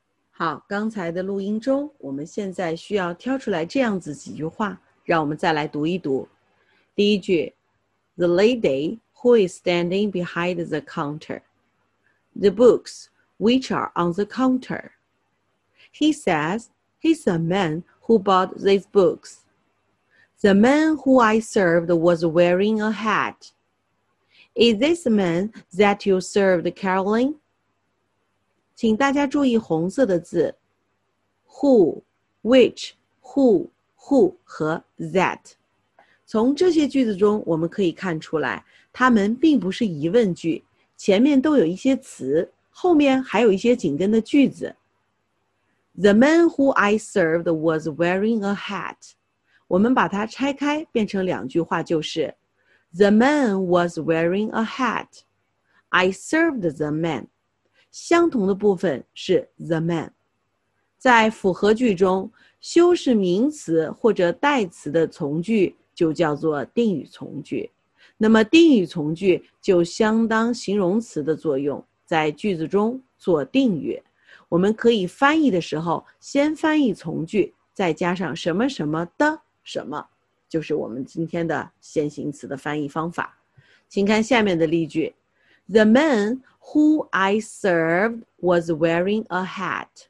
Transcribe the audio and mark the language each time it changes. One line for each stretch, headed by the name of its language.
Chinese: 好，刚才的录音中，我们现在需要挑出来这样子几句话，让我们再来读一读。第一句
English: ,The lady who is standing behind the counter. The books, which are on the counter. He says, he's a man who bought these books. The man who I served was wearing a hat. Is this man that you served, Carolyn?
Chinese: 请大家注意红色的字。 Who, which, who 和 that. 从这些句子中我们可以看出来,它们并不是疑问句。前面都有一些词，后面还有一些紧跟的句子。
English: The man who I served was wearing a hat.
Chinese: 我们把它拆开变成两句话就是
English: The man was wearing a hat. I served the man.
Chinese: 相同的部分是
English: the man.
Chinese: 在复合句中，修饰名词或者代词的从句就叫做定语从句。那么定语从句就相当形容词的作用，在句子中做定语。我们可以翻译的时候，先翻译从句，再加上什么什么的什么，就是我们今天的先行词的翻译方法。请看下面的例句 ：
English: The man who I served was wearing a hat。